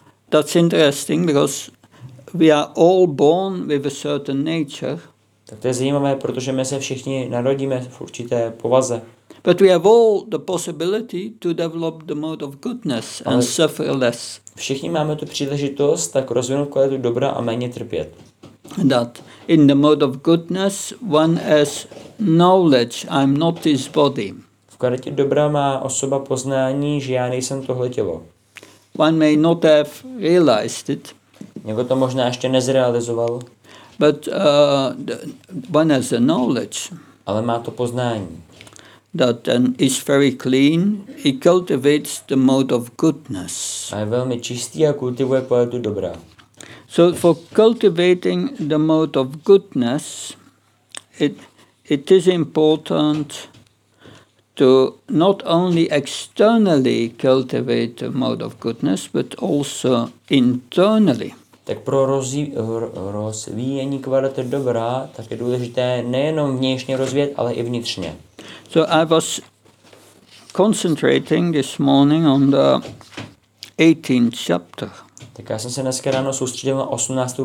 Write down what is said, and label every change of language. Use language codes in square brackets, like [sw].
[en] That's interesting because we are all born with a certain nature. [cs] Tak to je zajímavé, protože my se všichni narodíme v určité povaze. [en] But we have all the possibility to develop the mode of goodness and suffer less. [cs] Všichni máme tu příležitost tak rozvinout kvalitu dobra a méně trpět. [en] That in the mode of goodness one has knowledge, I'm not this body. [cs] V kvalitě dobra má osoba poznání, že já nejsem tohle tělo. [en] One may not have realized it. [cs] Někdo to možná ještě nezrealizoval. [en] But one has the knowledge. [cs] Ale má to poznání. [en] That is very clean. He cultivates the mode of goodness. [cs] A je velmi čistý a kultivuje kvalitu dobra. [en] So for cultivating the mode of goodness, it is important to not only externally cultivate the mode of goodness, but also internally. [cs] tak pro rozvíjení kvality dobra, tak je důležité nejenom vnějšně rozvíjet, ale i vnitřně. [en] So I was concentrating this morning on the 18th chapter. [cs] Tak já jsem se dneska ráno soustředil na 18.